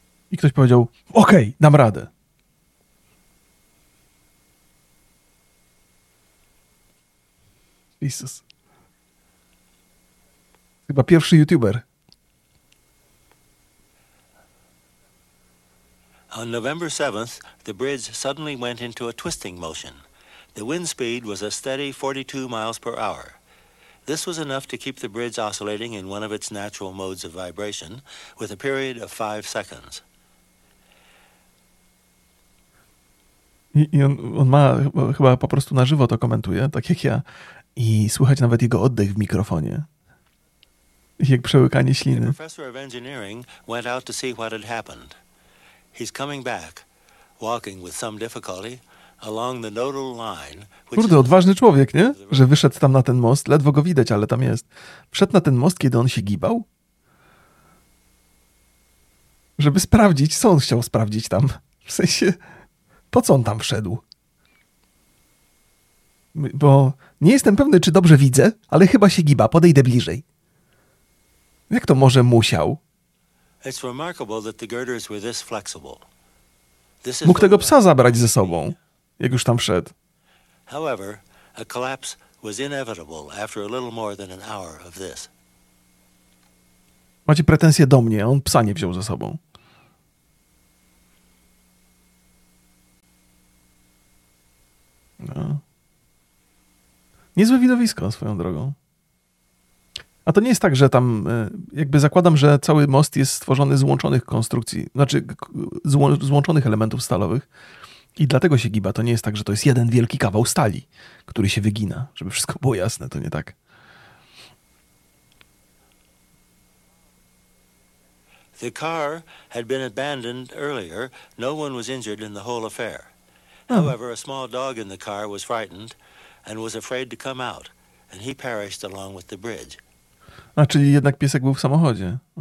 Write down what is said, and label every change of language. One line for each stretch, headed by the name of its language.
Polish: I ktoś powiedział: okej, dam radę. Jezus. Chyba pierwszy YouTuber.
English: On November 7th, the bridge suddenly went into a twisting motion. The wind speed was a steady 42 miles per hour. This was enough to keep the bridge oscillating in one of its natural modes of vibration with a period of 5 seconds.
Polish: I on ma chyba po prostu na żywo to komentuje, tak jak ja, i słychać nawet jego oddech w mikrofonie. Jak przełykanie śliny.
English: The professor of engineering went out to see what had happened. He's coming back, walking with some difficulty along the nodal line.
Polish: Kurde, odważny człowiek, nie? Że wyszedł tam na ten most, ledwo go widać, ale tam jest. Wszedł na ten most, kiedy on się gibał? Żeby sprawdzić, co on chciał sprawdzić tam. W sensie, po co on tam wszedł? Bo nie jestem pewny, czy dobrze widzę, ale chyba się giba, podejdę bliżej. Jak to może musiał?
English: It's remarkable that the girders were this flexible. This is
Polish: mógł tego psa zabrać ze sobą, jak już tam wszedł.
English: However, a collapse was inevitable after a little more than an hour of this.
Polish: Macie pretensje do mnie, on psa nie wziął ze sobą. No. Niezłe widowisko swoją drogą. A to nie jest tak, że tam, jakby zakładam, że cały most jest stworzony z łączonych konstrukcji, znaczy z łączonych elementów stalowych i dlatego się giba. To nie jest tak, że to jest jeden wielki kawał stali, który się wygina. Żeby wszystko było jasne, to nie tak.
English: The car had been abandoned earlier. No one was injured in the whole affair. However, a small dog in the car was frightened and was afraid to come out and he perished along with the bridge.
Polish: A, czyli jednak piesek był w samochodzie.